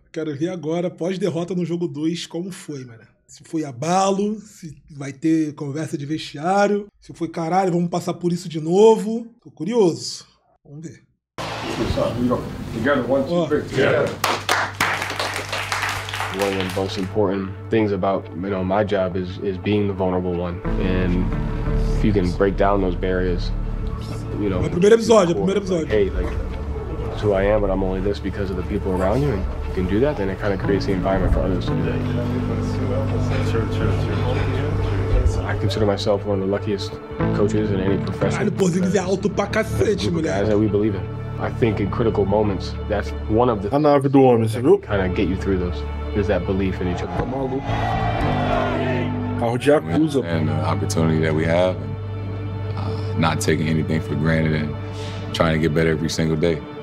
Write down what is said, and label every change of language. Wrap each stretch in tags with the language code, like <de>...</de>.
<pt>Quero ver agora, pós-derrota no jogo 2, como foi, mano. Se foi abalo, se vai ter conversa de vestiário. Se foi caralho, vamos passar por isso de novo. Tô curioso. Vamos ver.</pt> <en>One of the most important things about, you know, my job is being the vulnerable one. And if you can break down those barriers, you know.</en> <pt>O primeiro episódio.</pt> <en>Hey, like, it's who I am, but I'm only this because of the people around you. And if you can do that, then it kind of creates the environment for others to do that. I consider myself one of the luckiest coaches in any profession.</en> <pt>Caralho, Porzingis é alto pra cacete, mulher.</pt> <en>Guys that we believe in. I think in critical moments, that's one of the</en> <pt>a nave do homem, você viu?</pt> <en>Kind of get you through those. Is that belief in each other.</en> <pt>Tá maluco. Carro de acusa.</pt> <en>And the opportunity that we have, not taking anything for granted and trying to get better every single day.</en>